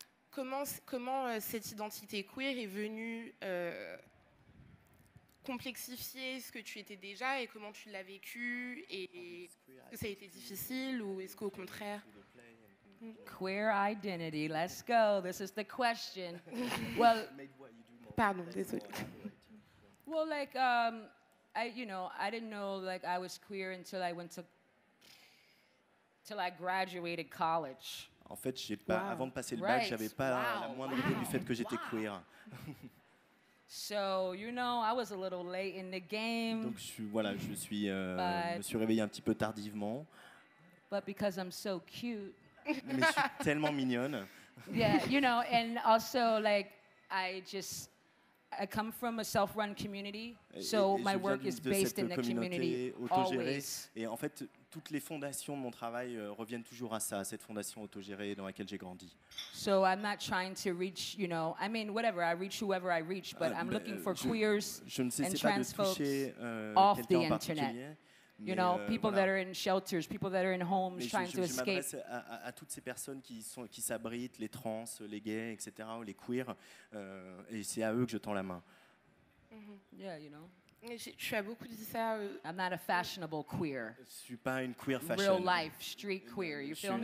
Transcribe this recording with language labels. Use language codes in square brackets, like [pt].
[fr] Comment cette identité queer est venue complexifier ce que tu étais déjà et comment tu l'as vécu et que ça a été difficile ou est-ce qu'au contraire? [en] Queer identity, let's go, this is the question. Well, [fr] pardon, désolé. [en] Well, like, I didn't know like I was queer until I went to, till I graduated college. [fr] En fait, j'ai pas, wow. Avant de passer le bac, right. J'avais pas la moindre idée du fait que j'étais queer. [en] So, you know, I was a little late in the game. [fr] Donc, je me suis réveillé un petit peu tardivement. [en] But because I'm so cute. [fr] Mais je suis tellement mignonne. [en] Yeah, you know, and also like I come from a self-run community, so my work is based in the community always. [fr] Et en fait, toutes les fondations de mon travail reviennent toujours à ça, à cette fondation autogérée dans laquelle j'ai grandi. [en] So I'm not trying to reach, you know, I mean, whatever, I reach whoever I reach, but I'm looking for queers and trans folks off the internet. You know, people that are in shelters, people that are in homes trying to escape. [fr] Je m'adresse à toutes ces personnes qui s'abritent, les trans, les gays, etc., ou les queers, et c'est à eux que je tends la main. [en] Mm-hmm. Yeah, you know. [fr] Tu as beaucoup dit ça. [en] I'm not a fashionable queer. [fr] Je suis pas une queer fashion. [en] Real life, street queer, you feel me?